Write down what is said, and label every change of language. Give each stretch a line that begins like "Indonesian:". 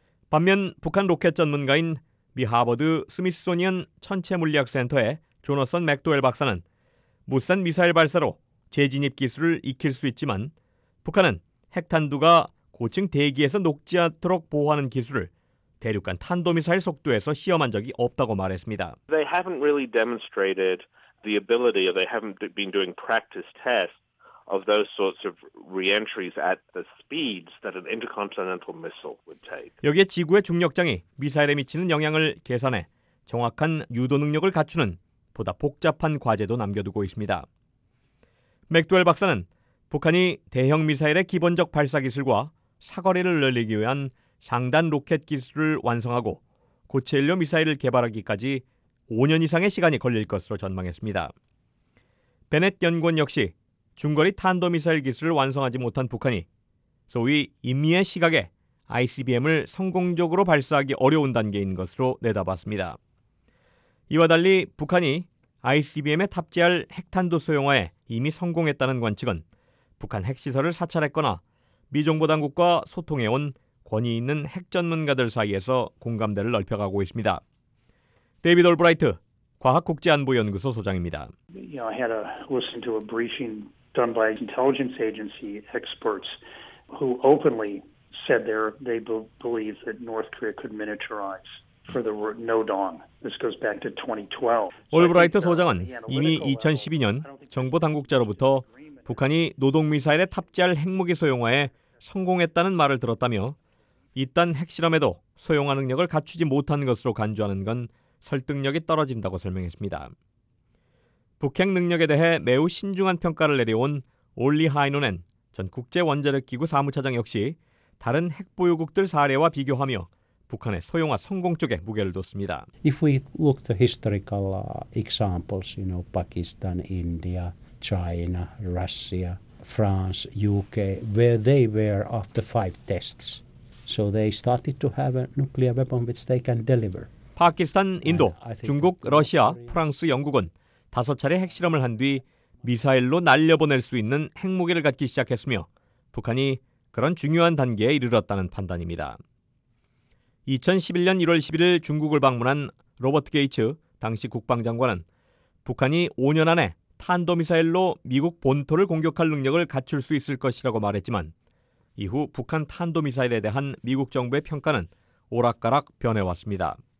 Korean: 반면 북한 로켓 전문가인 미 하버드 스미스소니언 천체물리학센터의 조너선 맥도웰 박사는 무수단 미사일 발사로 재진입 기술을 익힐 수 있지만 북한은 핵탄두가 고층 대기에서 녹지 않도록 보호하는 기술을 대륙간 탄도미사일 속도에서 시험한 적이 없다고 말했습니다.
English: They haven't really demonstrated the ability, or they haven't been doing practice tests of those sorts of re-entries at the speeds that an intercontinental missile would take.
Korean: 여기에 지구의 중력장이 미사일에 미치는 영향을 계산해 정확한 유도 능력을 갖추는 보다 복잡한 과제도 남겨두고 있습니다. 맥도웰 박사는 북한이 대형 미사일의 기본적 발사 기술과 사거리를 늘리기 위한 상단 로켓 기술을 완성하고 고체 연료 미사일을 개발하기까지 5년 이상의 시간이 걸릴 것으로 전망했습니다. 베넷 연구원 역시 중거리 탄도미사일 기술을 완성하지 못한 북한이 소위 인미의 시각에 ICBM을 성공적으로 발사하기 어려운 단계인 것으로 내다봤습니다. 이와 달리 북한이 ICBM에 탑재할 핵탄두 소형화에 이미 성공했다는 관측은 북한 핵시설을 사찰했거나 미정보당국과 소통해온 권위 있는 핵 전문가들 사이에서 공감대를 넓혀가고 있습니다. 데이비드 올브라이트, 과학국제안보연구소 소장입니다.
English: You know, I had to listen to a briefing done by intelligence agency experts who openly said they believe that North Korea could miniaturize for the NODON. This goes back to 2012.
Korean: 올브라이트 소장은 이미 2012년 정보 당국자로부터 북한이 노동미사일에 탑재할 핵무기 소형화에 성공했다는 말을 들었다며 이딴 핵실험에도 소형화 능력을 갖추지 못한 것으로 간주하는 건 설득력이 떨어진다고 설명했습니다. 북핵 능력에 대해 매우 신중한 평가를 내려온 올리 하이노넨 전 국제원자력기구 사무차장 역시 다른 핵보유국들 사례와 비교하며 북한의 소형화 성공 쪽에 무게를 뒀습니다.
English: If we look the historical examples, you know, Pakistan, India, China, Russia, France, UK, where they were after five tests. So they started to have a nuclear weapon which they can deliver.
Korean: 파키스탄, 인도, 중국, 러시아, 프랑스, 영국은 다섯 차례 핵실험을 한 뒤 미사일로 날려보낼 수 있는 핵무기를 갖기 시작했으며 북한이 그런 중요한 단계에 이르렀다는 판단입니다. 2011년 1월 11일 중국을 방문한 로버트 게이츠 당시 국방장관은 북한이 5년 안에 탄도미사일로 미국 본토를 공격할 능력을 갖출 수 있을 것이라고 말했지만 이후 북한 탄도미사일에 대한 미국 정부의 평가는 오락가락 변해왔습니다.